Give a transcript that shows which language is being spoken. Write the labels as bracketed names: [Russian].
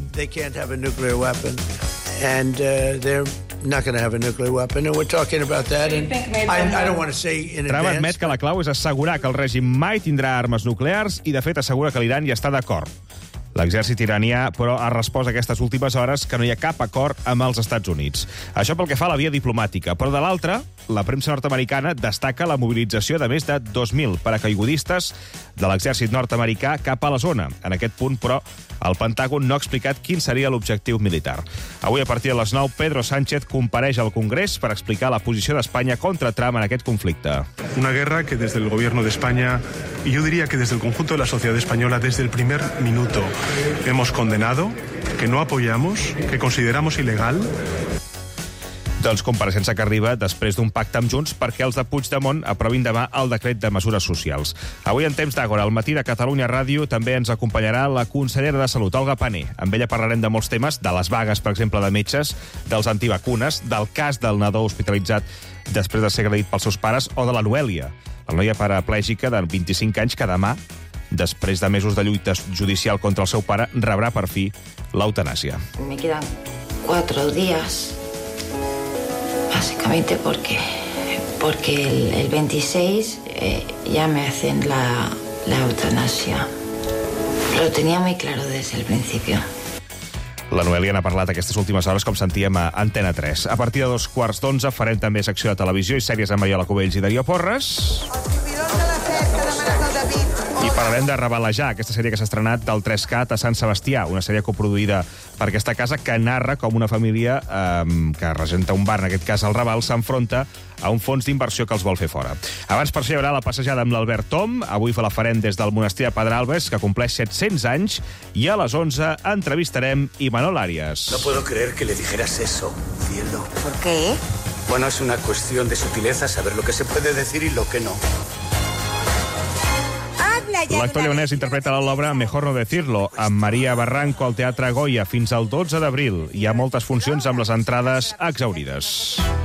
[English] They can't have a nuclear weapon and they're not going to have a nuclear weapon and we're talking about that and I don't want to say in advance. [Catalan] Trump admet que la clau és assegurar que el règim mai tindrà armes nuclears i, de fet, assegura que l'Iran hi està d'acord. L'exèrcit iranià, però, ha respost aquestes últimes hores que no hi ha cap acord amb els Estats Units. Això pel que fa a la via diplomàtica. Però, de l'altra, la premsa nord-americana destaca la mobilització de més de 2.000 paracaigudistes de l'exèrcit nord-americà cap a la zona. En aquest punt, però, el Pentàgon no ha explicat quin seria l'objectiu militar. Avui, a partir de les 9, Pedro Sánchez compareix al Congrés per explicar la posició d'Espanya contra Trump en aquest conflicte. [Spanish] Una guerra que des del gobierno de España, y yo diría que desde el conjunto de la sociedad española, desde el primer minuto, hemos condenado, que no apoyamos, que consideramos ilegal. [Catalan] Doncs compareixença que arriba després d'un pacte amb Junts perquè els de Puigdemont aprovin demà el decret de mesures socials. Avui en Temps d'Àgora, al matí de Catalunya Ràdio, també ens acompanyarà la consellera de Salut, Olga Pané. Amb ella parlarem de molts temes, de les vagues, per exemple, de metges, dels antivacunes, del cas del nadó hospitalitzat després de ser agredit pels seus pares, o de la Noèlia, la noia paraplègica de 25 anys que demà, després de mesos de lluita judicial contra el seu pare, rebrà per fi l'eutanàsia. [Spanish] Me quedan 4 dies... Básicamente porque el 26 ya me hacen la eutanasia. Lo tenía muy claro desde el principio. [Catalan] La Noelia n'ha parlat aquestes últimes hores, com sentíem a Antena 3. A partir de 2:15 farem també secció de televisió i sèries amb Mariola Cubells i Darío Porres. I parlarem de Revelejar, aquesta sèrie que s'ha estrenat del 3CAT a Sant Sebastià, una sèrie coproduïda per aquesta casa que narra com una família que regenta un bar, en aquest cas el Raval, s'enfronta a un fons d'inversió que els vol fer fora. Abans, per celebrar la passejada amb l'Albert Tom, avui la farem des del monestir de Pedralbes, que compleix 700 anys, i a les 11 entrevistarem Imanol Arias. [Spanish] No puedo creer que le dijeras eso, cielo. ¿Por qué? Bueno, es una cuestión de sutileza saber lo que se puede decir y lo que no. [Catalan] L'actor leonès interpreta l'obra Mejor no decirlo, amb Maria Barranco al Teatre Goya fins al 12 d'abril. Hi ha moltes funcions amb les entrades exaurides.